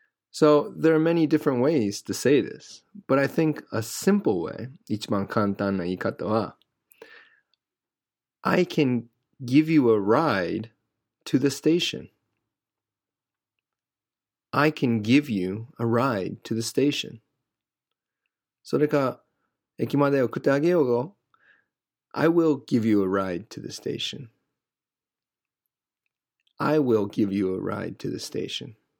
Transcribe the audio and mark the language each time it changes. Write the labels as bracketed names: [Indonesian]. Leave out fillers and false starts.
[English] So, there are many different ways to say this, but I think a simple way, [Japanese] 一番簡単な言い方は、 [English] I can give you a ride to the station. I can give you a ride to the station. [Japanese] それか、駅まで送ってあげようよ。 [English] I will give you a ride to the station. I will give you a ride to the station.